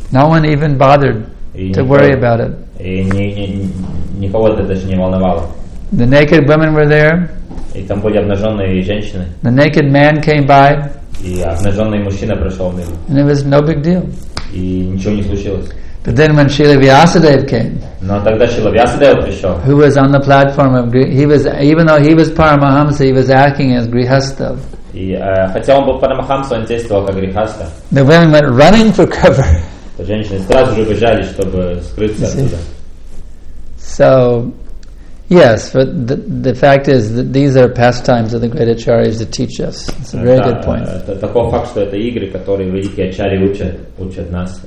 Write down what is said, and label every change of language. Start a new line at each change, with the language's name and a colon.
English: No one even bothered to worry about it.
Russian: И никого это даже не волновало.
English: The naked women were there.
Russian: И там были обнаженные женщины.
English: The naked man came by.
Russian: И обнаженный мужчина прошел мимо.
English: And it was no big deal.
Russian: И ничего не случилось.
English: But then when Srila Vyasadeva came.
Russian: Но тогда Srila Vyasadeva пришел.
English: Who was on the platform of even though he was Paramahamsa, he was acting as Grihastha.
Russian: И хотя он был Парамахамса, он действовал как Грихастха.
English: The women went running for cover.
Russian: Женщины сразу же бежали, чтобы скрыться оттуда.
English: So. Yes, but the fact is that these are pastimes of the great acharyas to teach us. It's a very good point.
Russian: Такой факт, что это игры, которые великие ачарьи учат нас.